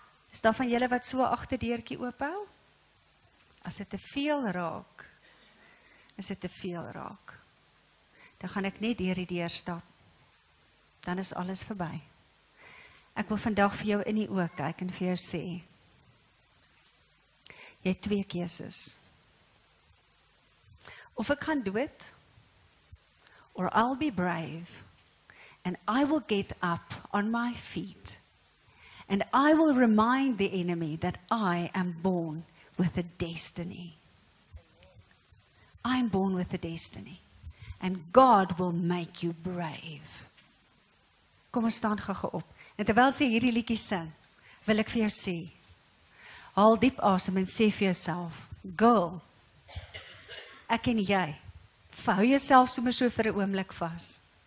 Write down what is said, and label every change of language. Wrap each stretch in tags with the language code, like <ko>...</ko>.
<af>Is daar van julle wat so 'n agterdeurtjie oophou? As dit te veel raak, is dit te veel raak. Dan gaan ek net deur die deur stap. Dan is alles verby. Ek wil vandag vir jou in die oë kyk en vir jou sê, jy het twee keuses. Of ek gaan dood,</af> <en>or I'll be brave, and I will get up on my feet, and I will remind the enemy that I am born with a destiny. I'm born with a destiny, and God will make you brave.</en> <af>Kom ons staan gou op. En terwyl sy hierdie liedjie sing, wil ek vir jou sê, haal diep asem en sê vir jouself, girl, ek en jy, hou jouself sommer so vir 'n oomblik vas.</af>